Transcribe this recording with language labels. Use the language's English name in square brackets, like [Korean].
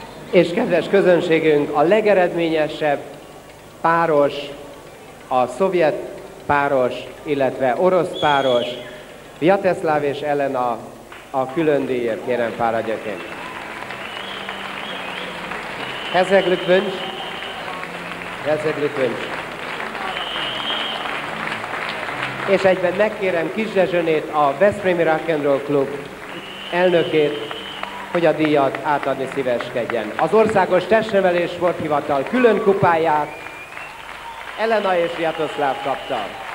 [Hungarian] És kedves közönségünk, a legeredményesebb páros, a szovjet páros, illetve orosz páros, Vjatyeszláv és Elena a külön díjért, kérem fáradjaként. [German] Herzlichen Glückwunsch! Herzlichen Glückwunsch! [Hungarian] És egyben megkérem Kis Dezsőnét, a Veszprémi Rock'n'Roll Klub elnökét, hogy a díjat átadni szíveskedjen. Az Országos Testnevelés Sporthivatal külön kupáját Elena és Vjatyeszláv kapta.